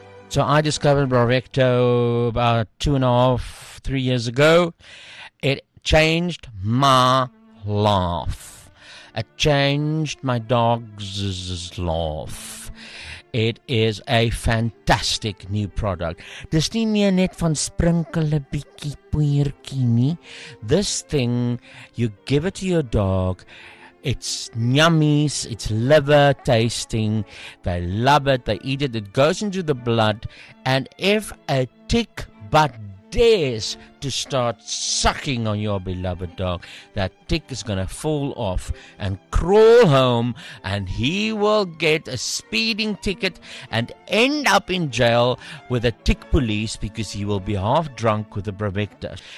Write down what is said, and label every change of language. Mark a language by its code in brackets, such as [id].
[en] So I discovered Bravecto about 2.5-3 years ago. It changed my life. It changed my dog's life. It is a fantastic new product. [af] Dis nie meer net van sprinkle 'n bietjie poeiertjie nie. [en] This thing, you give it to your dog, it's yummies, it's liver tasting, they love it, they eat it, it goes into the blood, and if a tick but dares to start sucking on your beloved dog, that tick is going to fall off and crawl home, and he will get a speeding ticket and end up in jail with a tick police because he will be half drunk with the Bravecto.